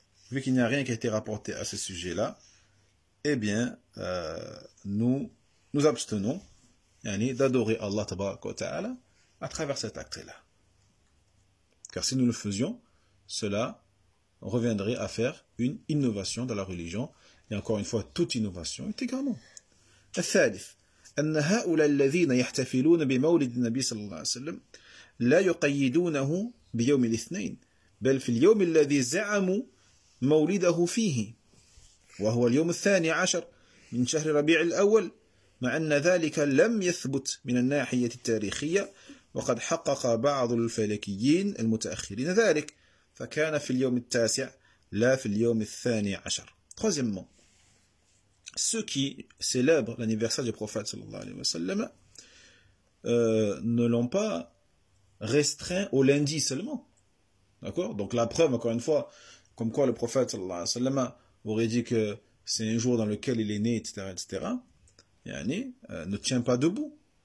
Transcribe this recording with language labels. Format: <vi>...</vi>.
<fr>Vu qu'il n'y a rien qui a été rapporté à ce sujet-là, eh bien, nous abstenons yani, d'adorer Allah tabaraka wa ta'ala à travers cet acte-là. Car si nous le faisions, cela reviendrait à faire une innovation dans la religion. Et encore une fois, toute innovation est également.</fr> <ar>Al-Thalif. أن هؤلاء الذين يحتفلون بمولد النبي صلى الله عليه وسلم لا يقيدونه بيوم الاثنين بل في اليوم الذي زعموا مولده فيه وهو اليوم الثاني عشر من شهر ربيع الأول مع أن ذلك لم يثبت من الناحية التاريخية وقد حقق بعض الفلكيين المتأخرين ذلك فكان في اليوم التاسع لا في اليوم الثاني عشر.</ar> <fr>Troisièmement, ceux qui célèbrent l'anniversaire du prophète sallallahu alayhi wa sallam ne l'ont pas restreint au lundi seulement. D'accord? Donc la preuve, encore une fois, comme quoi le prophète sallallahu alayhi wa sallam aurait dit que c'est un jour dans lequel il est né, etc., etc., yani, ne tient pas debout.</fr>